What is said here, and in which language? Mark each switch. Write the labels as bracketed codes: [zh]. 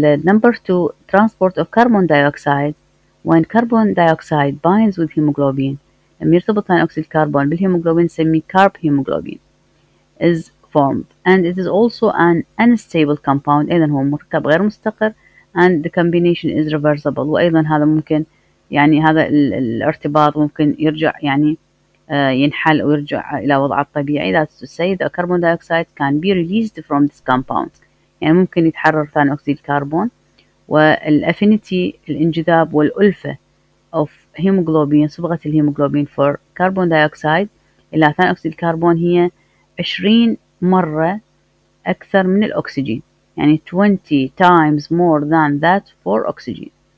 [en] Number two, transport of carbon dioxide. When carbon dioxide binds with hemoglobin, [ar] لما يرتبط أكسيد الكربون بالهيموجلوبين نسميه [en] carb hemoglobin is formed. And it is also an unstable compound. [ar] أيضا هو مركب غير مستقر. [en] And the combination is reversible. [ar] وأيضا هذا ممكن يعني هذا الارتباط ممكن يرجع يعني ينحل ويرجع إلى وضعه الطبيعي. [en] That is to say the carbon dioxide can be released from this compound. [ar] يعني ممكن يتحرر ثاني أكسيد الكربون، والأفينيتي الانجذاب والألفة of hemoglobin صبغة الهيموجلوبين for carbon dioxide إلى ثاني أكسيد الكربون هي 20 مرة أكثر من الأكسجين، يعني [en] 20 times more than that for oxygen.